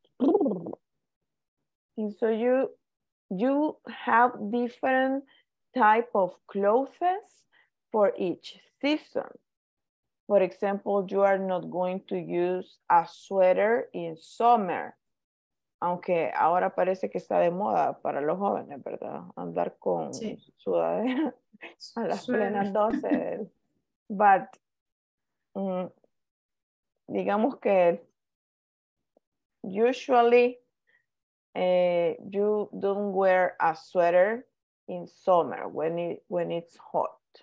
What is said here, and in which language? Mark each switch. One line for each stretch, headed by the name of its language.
English: And so you have different type of clothes for each season. For example, you are not going to use a sweater in summer.
Spanish: Aunque ahora parece que está de moda para los jóvenes, ¿verdad? Andar con sí. Sudadera a las plenas 12.
English: But,
Spanish: digamos que
English: usually you don't wear a sweater in summer when it's hot.